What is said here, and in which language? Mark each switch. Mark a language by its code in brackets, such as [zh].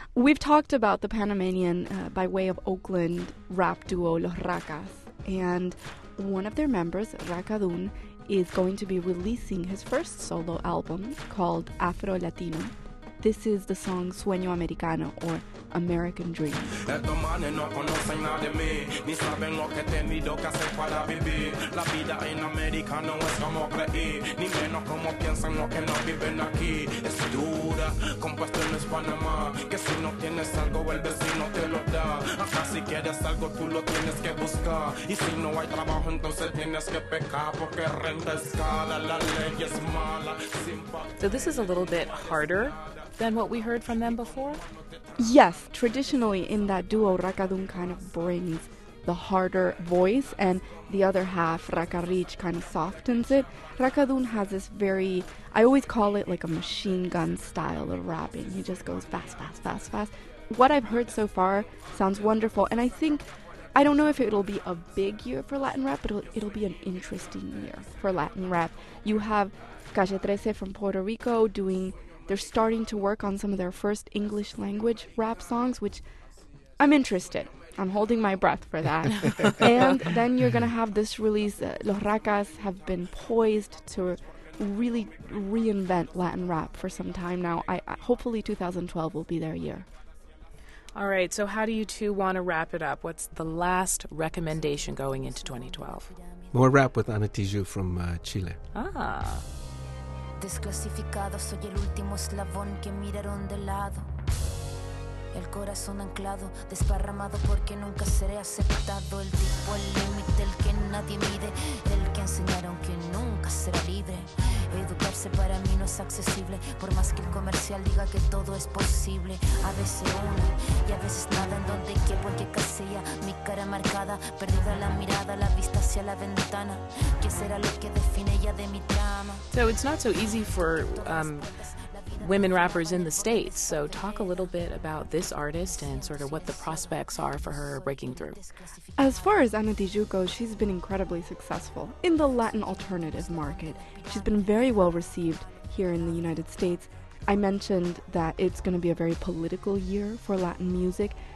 [en] We've talked about the Panamanian, by way of Oakland, rap duo Los Racas. And one of their members, Racadun, is going to be releasing his first solo album called Afro Latino. This is the song Sueño Americano, or American Dream. [es] Estos manes no conocen nada de mí, ni saben lo que he tenido que hacer para vivir. La vida en América no es como creí, ni menos como piensan los que no viven aquí. Es dura, compuesto en Panamá, que si no tienes algo el vecino te lo da. Acá si quieres algo tú lo tienes que buscar, y si no hay trabajo entonces tienes que pecar, porque renta es cara, la ley es mala. [en] So this is a little bit harder than what we heard from them before? Yes, traditionally in that duo, Racadun kind of brings the harder voice and the other half, Racarich, kind of softens it. Racadun has this very, I always call it like a machine gun style of rapping. He just goes fast, fast, fast, fast. What I've heard so far sounds wonderful, and I think, I don't know if it'll be a big year for Latin rap, but it'll be an interesting year for Latin rap. You have Calle 13 from Puerto Rico doing... They're starting to work on some of their first English language rap songs, which I'm interested. I'm holding my breath for that. And then you're going to have this release. Los Racas have been poised to really reinvent Latin rap for some time now. Hopefully 2012 will be their year. All right. So how do you two want to wrap it up? What's the last recommendation going into 2012? More rap with Ana Tiju from Chile. Ah. [es] Desclasificado, soy el último eslabón que miraron de lado. El corazón anclado, desparramado porque nunca seré aceptado. El tipo, el límite, el que nadie mide. El que enseñaron que nunca será libre. Educarse para mí no es accesible, por más que el comercial diga que todo es posible. A veces una y a veces nada, en donde quiero que casea. Mi cara marcada, perdida la mirada, la vista hacia la ventana. ¿Qué será lo que define ya de mi trama? [en] So it's not so easy for women rappers in the States. So talk a little bit about this artist and sort of what the prospects are for her breaking through. As far as Ana Di Giuoco, she's been incredibly successful in the Latin alternative market. She's been very well received here in the United States. I mentioned that it's going to be a very political year for Latin music.